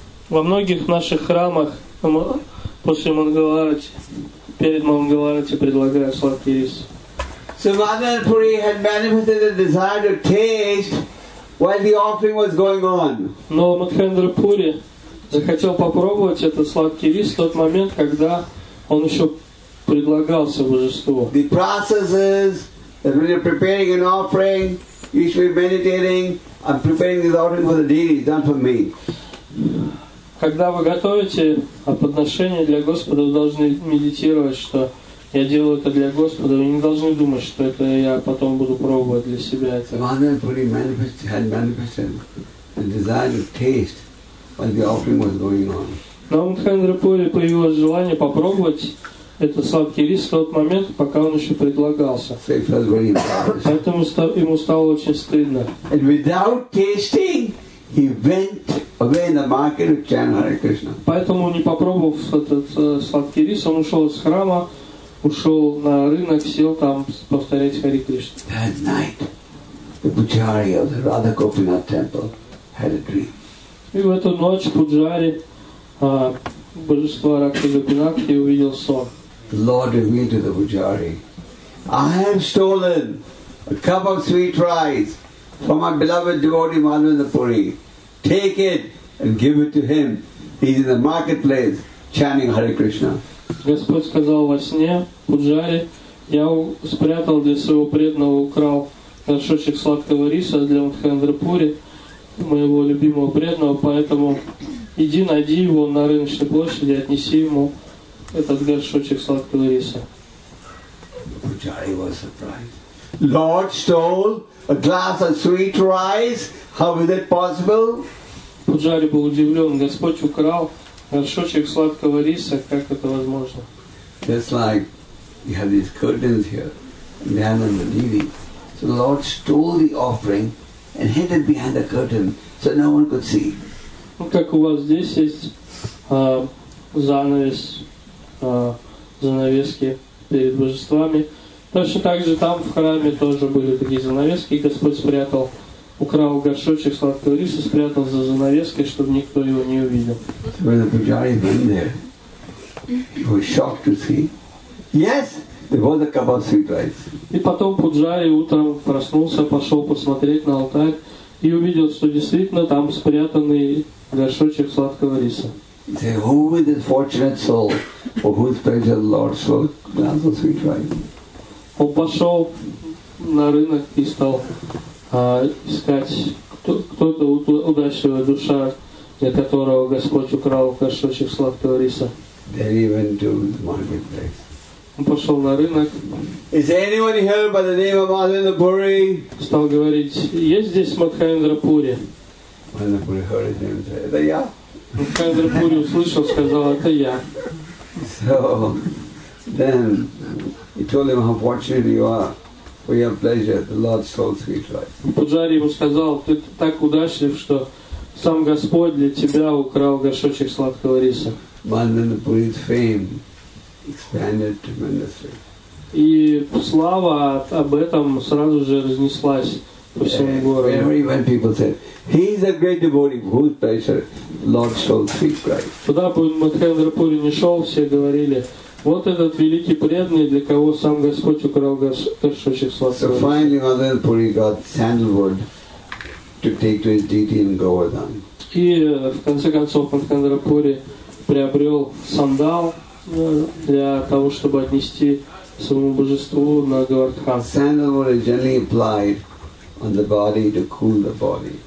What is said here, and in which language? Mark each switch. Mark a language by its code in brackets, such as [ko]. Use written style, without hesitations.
[ru] Во многих наших храмах после Мангаларати, перед Мангаларати предлагают сладкий рис. [en] So Madan Puri had manifested the desire to taste while the offering was going on. [ru] Но Мадхендра Пури захотел попробовать этот сладкий рис в тот момент, когда он еще предлагался божеству. [en] The processes that when you're preparing an offering, you should be meditating. I'm preparing this offering for the deity, not for me. [ru] Когда вы готовите подношение для Господа, вы должны медитировать, что я делаю это для Господа, вы не должны думать, что это я потом буду пробовать для себя это. [en] Madan Puri manifested the desire to taste while the offering was going on. [ru] На Мадхендра Пури появилось желание попробовать этот сладкий рис в тот момент, пока он еще предлагался. [en] So it felt very embarrassed. [ru] Поэтому ему стало очень стыдно. [en] And without tasting, he went away in the market to chant Hare Krishna. [ru] Поэтому, не попробовав этот сладкий рис, он ушел из храма. Ушел на рынок, сел там повторять Хари Кришна. [en] That night, the pujari of the Radha Gopinath temple had a dream. [ru] И в эту ночь пуджари божества Радха Гопинатхи увидел сон. [en] Lord revealed to the pujari, I have stolen a cup of sweet rice from my beloved devotee Madhavendra Puri. Take it and give it to him. He's in the marketplace chanting Hare Krishna. [ru] Господь сказал во сне, пуджари, я спрятал для своего преданного, украл горшочек сладкого риса для Мадхендра Пури, моего любимого преданного, поэтому иди, найди его на рыночной площади, отнеси ему этот горшочек сладкого риса. [en] Пуджари was surprised. Lord stole a glass of sweet rice. How is it possible? [ru] Пуджари был удивлен. Господь украл горшочек сладкого риса, как это возможно? [en] Just like you have these curtains here, behind them the deity. So the Lord stole the offering and hid it behind the curtain, so no one could see. [ru] Ну как у вас здесь есть занавес, занавески перед божествами. Точно так же там в храме тоже были такие занавески. Господь спрятал, украл горшочек сладкого риса, спрятал за занавеской, чтобы никто его не увидел. [en] When the pujari went there, he was shocked to see. Yes, there was a cup of sweet rice. [ru] И потом пуджари утром проснулся, пошел посмотреть на алтарь и увидел, что действительно там спрятанный горшочек сладкого риса. [en] He said, who is this fortunate soul for whose pleasure the Lord stole a glass of sweet rice? [ru] Он пошел на рынок и стал искать, кто-то удачливая душа, для которого Господь украл горшочек сладкого риса. [en] Then he went to the marketplace. [ru] Он пошел на рынок. [en] Is anyone here by the name of Madhavendra Puri? [ru] Стал говорить, есть здесь Мадхендра Пури? [en] Madhavendra Puri heard his name and said, [ru] это я. Мадхендра Пури услышал, сказал, это я. [en] So, then he told him how fortunate you are. For your pleasure, the Lord stole sweet rice. [ru] Пуджари ему сказал, ты так удачлив, что сам Господь для тебя украл горшочек сладкого риса. [en] Madhavendra Puri's fame expanded tremendously. [ru] И слава об этом сразу же разнеслась по всему городу. [en] When people said, he's a great devotee, whose pleasure, the Lord stole sweet rice. [ru] Куда бы Мадхендра Пури не шел, все говорили, вот этот великий преданный, для кого сам Господь украл горшочек сладкого риса. [en] So finally, Madhavendra Puri got sandalwood to take to his deity in Govardhan. [ru] И в конце концов Мадхендра Пури приобрел сандал для того, чтобы отнести своему божеству на Говардхан. [en] Sandalwood is generally applied on the body to cool the body.